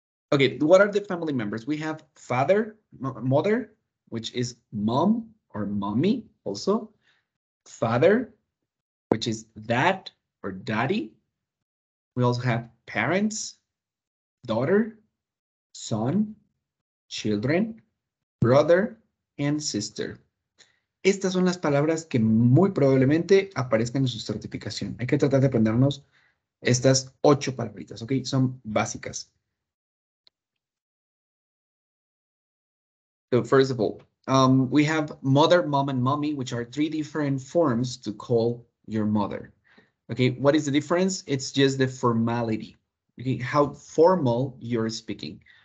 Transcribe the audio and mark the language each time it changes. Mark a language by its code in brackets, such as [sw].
[en] Ok, what are the family members? We have father, mother, which is mom or mommy also. Father, which is dad or daddy. We also have parents, daughter, son, children, brother, and sister. [es] Estas son las palabras que muy probablemente aparezcan en su certificación. Hay que tratar de aprendernos estas 8 palabritas, ¿ok? Son básicas. [en] So first of all, we have mother, mom, and mommy, which are 3 different forms to call your mother. Okay, what is the difference? It's just the formality. Okay, how formal you're speaking.